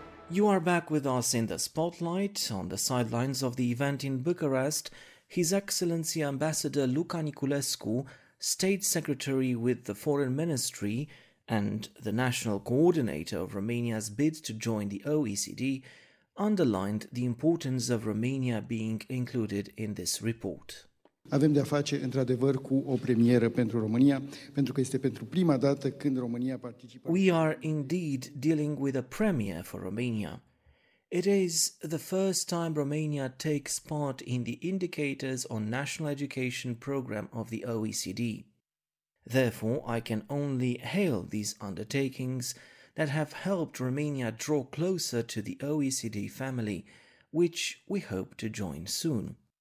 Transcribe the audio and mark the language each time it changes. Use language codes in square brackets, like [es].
[en] You are back with us in the spotlight. On the sidelines of the event in Bucharest, His Excellency Ambassador Luca Niculescu, State Secretary with the Foreign Ministry and the National Coordinator of Romania's bid to join the OECD, underlined the importance of Romania being included in this report. [ro] Avem de a face într-adevăr cu o premieră pentru România, pentru că este pentru prima dată când România participă. [en] We are indeed dealing with a premiere for Romania. It is the first time Romania takes part in the Indicators on National Education Program of the OECD. Therefore, I can only hail these undertakings that have helped Romania draw closer to the OECD family, which we hope to join soon.